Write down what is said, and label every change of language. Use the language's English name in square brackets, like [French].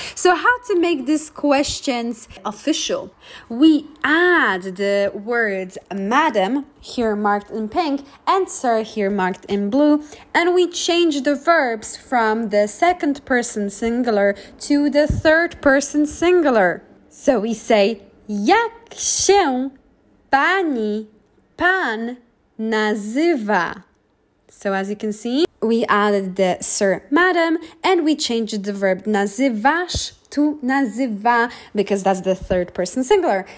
[English] So how to make these questions official? We add the words madam, here marked in pink, and sir, here marked in blue, and we change the verbs from the second person singular to the third person singular. So we say, [Polish] jak się pani, pan nazywa? [English] So as you can see, we added the sir, madam, and we changed the verb nazywasz to nazywa, because that's the third person singular.